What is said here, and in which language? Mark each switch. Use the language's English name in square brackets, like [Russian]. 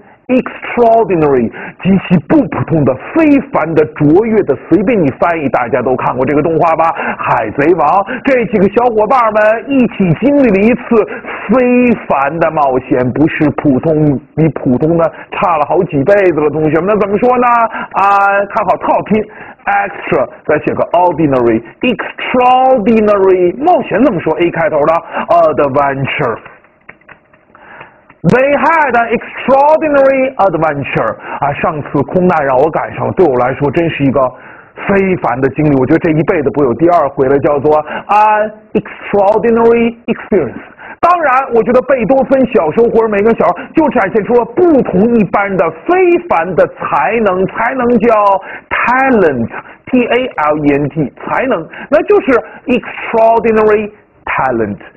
[Chinese] ，extraordinary， 极其不普通的、非凡的、卓越的，随便你翻译，大家都看过这个动画吧，《海贼王》，这几个小伙伴们一起经历了一次非凡的冒险，不是普通，比普通的差了好几辈子了，同学们，那怎么说呢？啊，看好套拼 ，extra 再写个 ordinary，extraordinary 冒险怎么说 ？A 开头的 adventure。 [English] They had an extraordinary adventure。 [Chinese] 啊，上次空难让我赶上了，对我来说真是一个非凡的经历，我觉得这一辈子不有第二回了，叫做 [English] an extraordinary experience。 [Chinese] 当然我觉得贝多芬小时候或者每个小孩就展现出了不同一般的非凡的才能，才能叫 talent， T-A-L-E-N-T， 才能，那就是 [English] extraordinary talent。